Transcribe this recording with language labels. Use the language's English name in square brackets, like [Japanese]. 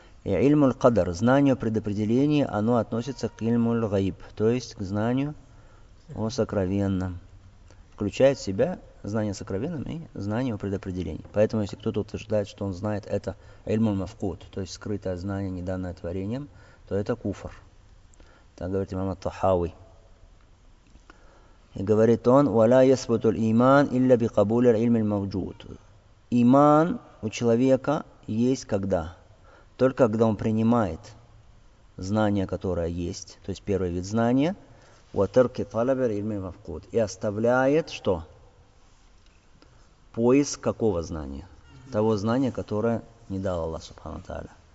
[Russian] И ильму аль-кадр, знание о предопределении, оно относится к ильму аль-гайб, то есть к знанию о сокровенном. Включает в себя знание о сокровенном и знание о предопределении. Поэтому, если кто-то утверждает, что он знает это ильму аль-мафкут, то есть скрытое знание, не данное творением, то это куфр. Так говорит имам ат-Тахави. И говорит он, [Arabic] وَلَا يَسْبُتُ الْإِيمَانِ إِلَّا بِقَبُولِ الْعِلْمِ الْمَوْجُودِ. [Russian] Иман у человека есть когда? Только когда он принимает знание, которое есть, то есть первый вид знания, [Arabic] وَتَرْكِ طَلَبِ الْعِلْمِ الْمَفْقُودِ, [Russian] и оставляет что? Поиск какого знания? Того знания, которое не дал Аллах Субхану ва Тааля.